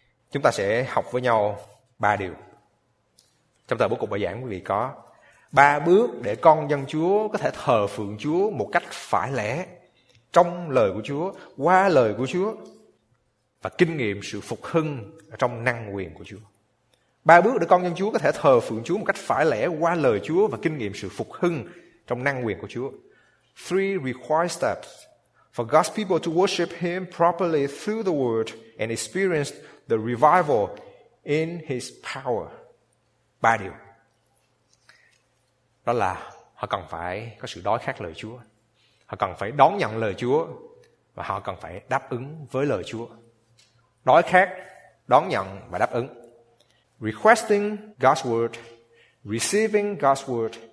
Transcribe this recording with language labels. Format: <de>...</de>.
<vi>Chúng ta sẽ học với nhau ba điều. Trong tờ bố cục bài giảng quý vị có ba bước để con dân Chúa có thể thờ phượng Chúa một cách phải lẽ, trong lời của Chúa, qua lời của Chúa, và kinh nghiệm sự phục hưng trong năng quyền của Chúa. Ba bước để con dân Chúa có thể thờ phượng Chúa một cách phải lẽ, qua lời Chúa, và kinh nghiệm sự phục hưng trong năng quyền của Chúa.</vi> <en>Three required steps for God's people to worship Him properly through the Word and experience the revival in His power.</en> <vi>Ba điều. Đó là họ cần phải có sự đói khát lời Chúa. Họ cần phải đón nhận lời Chúa, và họ cần phải đáp ứng với lời Chúa. Đói khát, đón nhận và đáp ứng.</vi> <en>Requesting God's Word, receiving God's Word,</en>